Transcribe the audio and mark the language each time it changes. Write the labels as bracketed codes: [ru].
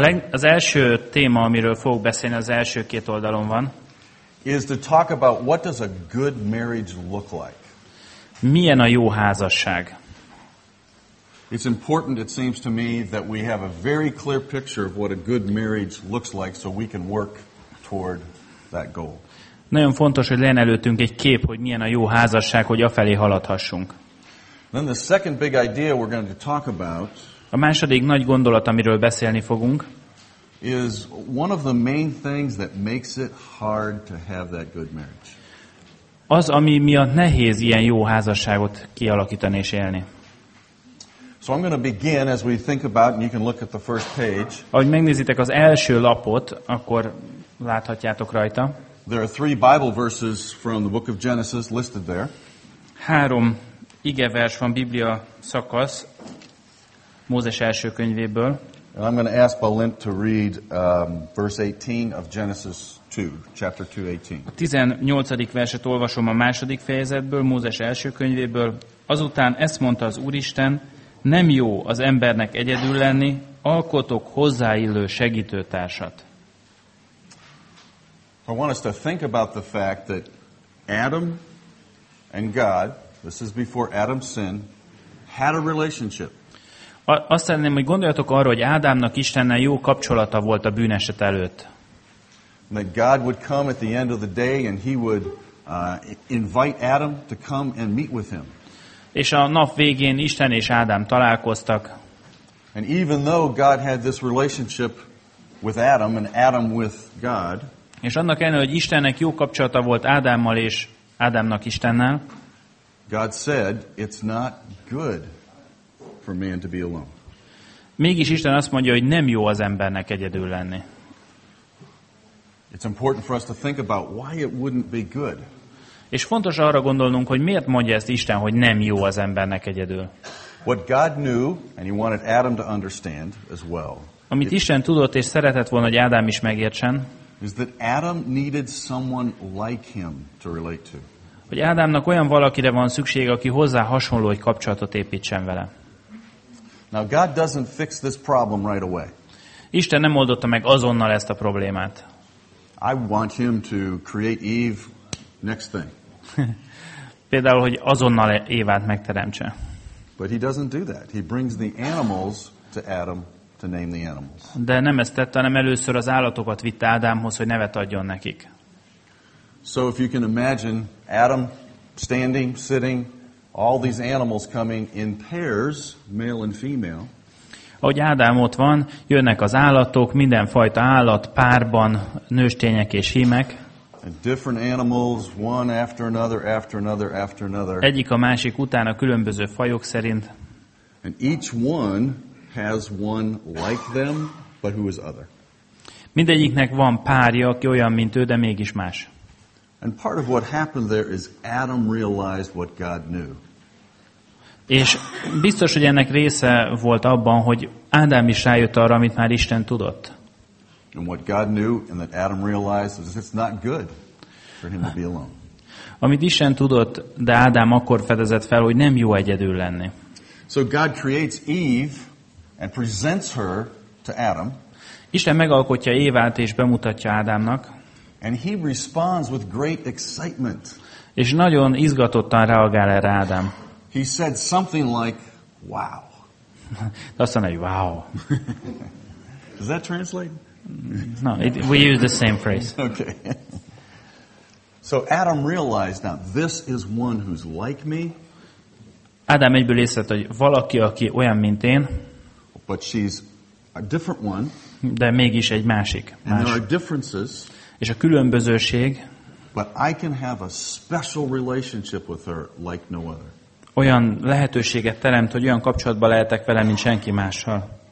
[hu] Az első téma, amiről fogok beszélni, az első két oldalon van. [en] Is to talk about what does a good marriage look like. [hu] Milyen a jó házasság? [en] It's important, it seems to me, that we have a very clear picture of what a good marriage looks like, so we can work toward that goal. [hu] Nagyon fontos, hogy legyen előttünk egy kép, hogy milyen a jó házasság, hogy afelé haladhassunk. [en] Then the second big idea we're going to talk about. [hu] A második nagy gondolat, amiről beszélni fogunk, [en] is one of the main things that makes it hard to have that good marriage. [hu] Az, ami miatt nehéz ilyen jó házasságot kialakítani és élni. [en] So I'm going to begin as we think about, and you can look at the first page. [hu] Ahogy megnézitek az első lapot, akkor láthatjátok rajta. [en] There are three Bible verses from the book of Genesis listed there. [hu] Három igevers van Biblia szakasz Mózes első könyvéből. [en] And I'm going to ask Balint to read verse 18 of Genesis 2, chapter 2, 18. [hu] A 18. verset olvasom a második fejezetből, Mózes első könyvéből. Azután ezt mondta az Úristen, nem jó az embernek egyedül lenni, alkotok hozzáillő segítőtársat. [en] I want us to think about the fact that Adam and God, this is before Adam sinned, had a relationship. [hu] Azt szeretném, hogy gondoljatok arra, hogy Ádámnak Istennel jó kapcsolata volt a bűneset előtt. [en] That God would come at the end of the day and he would invite Adam to come and meet with him. [hu] És a nap végén Isten és Ádám találkoztak. [en] And even though God had this relationship with Adam and Adam with God, [hu] és annak ellenére, hogy Istennek jó kapcsolata volt Ádámmal és Ádámnak Istennel, [en] God said, it's not good for man to be alone. [hu] Mégis Isten azt mondja, hogy nem jó az embernek egyedül lenni. [en] It's important for us to think about why it wouldn't be good. [hu] És fontos arra gondolnunk, hogy miért mondja ezt Isten, hogy nem jó az embernek egyedül. [en] What God knew, and he wanted Adam to understand as well. [hu] Amit Isten tudott és szeretett volna, hogy Ádám is megértsen, [en] is that Adam needed someone like him to relate to. [hu] Hogy Ádámnak olyan valakire van szüksége, aki hozzá hasonló egy kapcsolatot építsen vele. [en] Now God doesn't fix this problem right away. [hu] Isten nem oldotta meg azonnal ezt a problémát. [en] I want him to create Eve next thing. [hu] Például, hogy azonnal Évát megteremtse. [en] But he doesn't do that. He brings the animals to Adam. To name the animals. [hu] De nem ezt tette, hanem először az állatokat vitte Ádámhoz, hogy nevet adjon nekik. [en] So if you can imagine Adam standing, sitting, all these animals coming in pairs, male and female. [hu] Ahogy Ádám ott van, jönnek az állatok, mindenfajta állat, párban, nőstények és hímek. [en] Different animals, one after another, after another, after another. [hu] Egyik a másik után a különböző fajok szerint. [en] And each one has one like them, but who is other? [hu] Mindegyiknek van párja, aki olyan, mint ő, de mégis más. [en] And part of what happened there is Adam realized what God knew. [hu] És biztos, hogy ennek része volt abban, hogy Ádám is rájött arra, amit már Isten tudott. [en] And what God knew and that Adam realized is it's not good for him to be alone. [hu] Amit Isten tudott, de Ádám akkor fedezett fel, hogy nem jó egyedül lenni. [en] So God creates Eve and presents her to Adam. [hu] Isten megalkotja Évát és bemutatja Ádámnak. [en] And he responds with great excitement. [hu] És nagyon izgatottan reagál erre Ádám. [en] He said something like, wow. [hu] Azt mondja, wow. [en] Does that translate? No, we use the same phrase. Okay. So Adam realized now, this is one who's like me. [hu] Ádám egyből észlelt, hogy valaki, aki olyan, mint én. [en] But she's a different one. [hu] De mégis egy másik. [en] And there are differences. [hu] És a különbözőség. [en] But I can have a special relationship with her like no other. [hu] Olyan lehetőséget teremt, hogy olyan kapcsolatban lehetek vele, mint senki mással.